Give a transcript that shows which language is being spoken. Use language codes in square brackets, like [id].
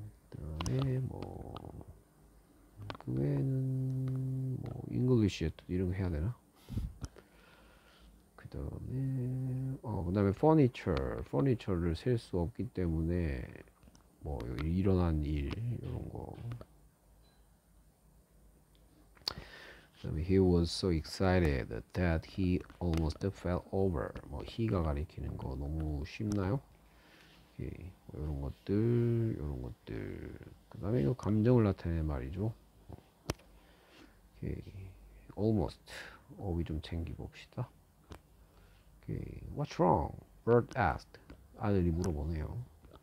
[ko] 그다음에 뭐그 외에는 뭐 잉글리시에 또 이런 거 해야 되나? 그다음에 퍼니처를 셀수 없기 때문에 뭐 일어난 일 이런 거. 그다음에 [en] he was so excited that he almost fell over. [ko] 뭐 he가 가리키는 거 너무 쉽나요? 이렇게 이런 것들 그다음에 이거 감정을 나타내는 말이죠. 이렇게 almost 어휘 좀 챙기 봅시다. 이렇게 [en] what's wrong? Bert asked. [ko] 아들이 물어보네요.